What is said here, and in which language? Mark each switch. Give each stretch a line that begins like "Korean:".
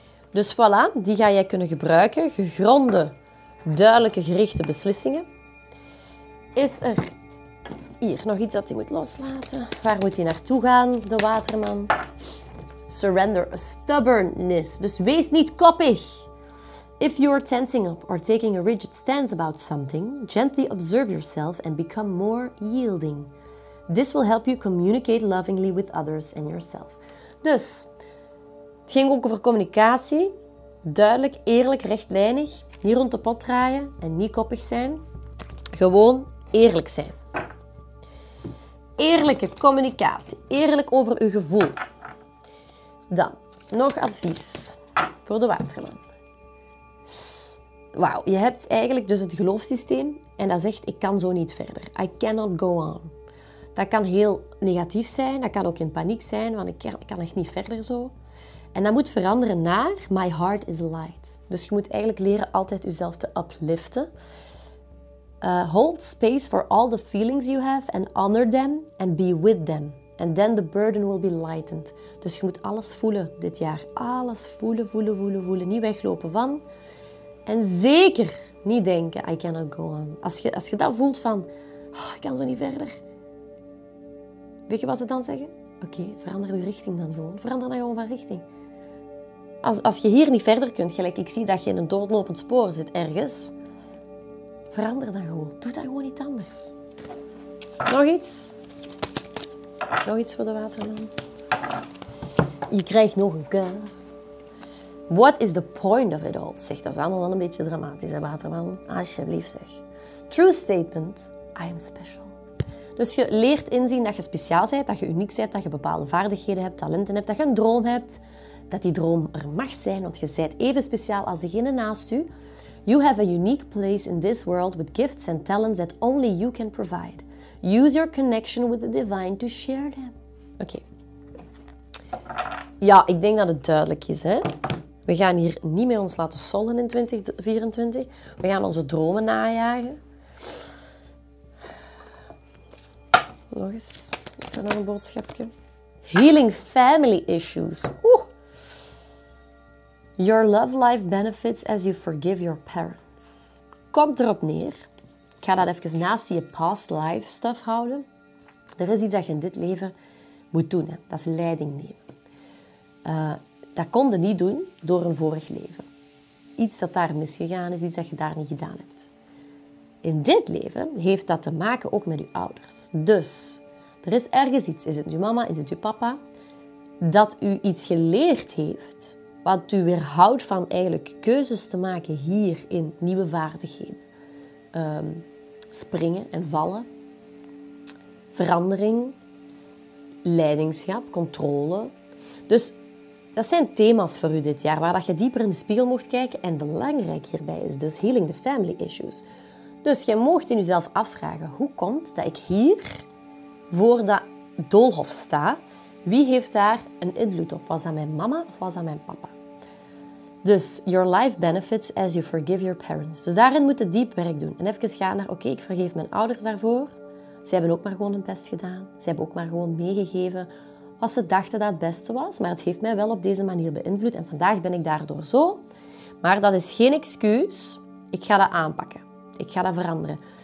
Dutch: Dus voilà, die ga jij kunnen gebruiken. Gegronde, duidelijke, gerichte beslissingen. Is er hier nog iets dat hij moet loslaten? Waar moet hij naartoe gaan, de waterman?
English: surrender, a stubbornness.
Dutch: Dus wees niet koppig.
English: If you are tensing up or taking a rigid stance about something, gently observe yourself and become more yielding. This will help you communicate lovingly with others and yourself.
Dutch: Dus, het ging ook over communicatie. Duidelijk, eerlijk, rechtlijnig. Niet rond de pot draaien en niet koppig zijn. Gewoon eerlijk zijn. Eerlijke communicatie. Eerlijk over uw gevoel. Dan, nog advies voor de waterman. Wauw, je hebt eigenlijk dus het geloofssysteem en dat zegt, ik kan zo niet verder.
English: I cannot go on.
Dutch: Dat kan heel negatief zijn, dat kan ook in paniek zijn, want ik kan echt niet verder zo. En dat moet veranderen naar
English: my heart is light.
Dutch: Dus je moet eigenlijk leren altijd jezelf te upliften.
English: Hold space for all the feelings you have and honor them and be with them. And then the burden will be lightened.
Dutch: Dus je moet alles voelen dit jaar. Alles voelen, voelen, voelen, voelen. Niet weglopen van. En zeker niet denken,
English: I cannot go on.
Dutch: Als je dat voelt van, oh, ik kan zo niet verder. Weet je wat ze dan zeggen? Oké, verander je richting dan gewoon. Verander dan gewoon van richting. Als je hier niet verder kunt, gelijk ik zie dat je in een doodlopend spoor zit ergens. Verander dan gewoon. Doe dat gewoon niet anders. Nog iets? Nog iets voor de waterman. Je krijgt nog een kaart.
English: What is the point of it all?
Dutch: Zeg, dat is allemaal wel een beetje dramatisch, hè, waterman. Alsjeblieft, zeg.
English: True statement. I am special.
Dutch: Dus je leert inzien dat je speciaal bent, dat je uniek bent, dat je bepaalde vaardigheden hebt, talenten hebt, dat je een droom hebt. Dat die droom er mag zijn, want je bent even speciaal als degene naast u.
English: You have a unique place in this world with gifts and talents that only you can provide. Use your connection with the divine to share them.
Dutch: Oké. Ja, ik denk dat het duidelijk is, hè. We gaan hier niet mee ons laten sollen in 2024. We gaan onze dromen najagen. Nog eens. Is er nog een boodschapje?
English: Healing family issues. Oeh. Your love life benefits as you forgive your parents.
Dutch: Komt erop neer. Ik ga dat even naast je
English: past life stuff
Dutch: houden. Er is iets dat je in dit leven moet doen. Hè. Dat is leiding nemen. Dat kon je niet doen door een vorig leven. Iets dat daar misgegaan is, iets dat je daar niet gedaan hebt. In dit leven heeft dat te maken ook met je ouders. Dus, er is ergens iets. Is het je mama, is het je papa? Dat u iets geleerd heeft, wat u weerhoudt van eigenlijk keuzes te maken hier in nieuwe vaardigheden. Springen en vallen, verandering, leiderschap, controle. Dus dat zijn thema's voor u dit jaar, waar dat je dieper in de spiegel mocht kijken. En belangrijk hierbij is dus
English: healing the family issues.
Dutch: Dus je mocht in jezelf afvragen, hoe komt dat ik hier voor dat doolhof sta? Wie heeft daar een invloed op? Was dat mijn mama of was dat mijn papa? Dus,
English: your life benefits as you forgive your parents.
Dutch: Dus daarin moet je diep werk doen. En even gaan naar, oké, ik vergeef mijn ouders daarvoor. Ze hebben ook maar gewoon hun best gedaan. Ze hebben ook maar gewoon meegegeven wat ze dachten dat het beste was. Maar het heeft mij wel op deze manier beïnvloed. En vandaag ben ik daardoor zo. Maar dat is geen excuus. Ik ga dat aanpakken. Ik ga dat veranderen.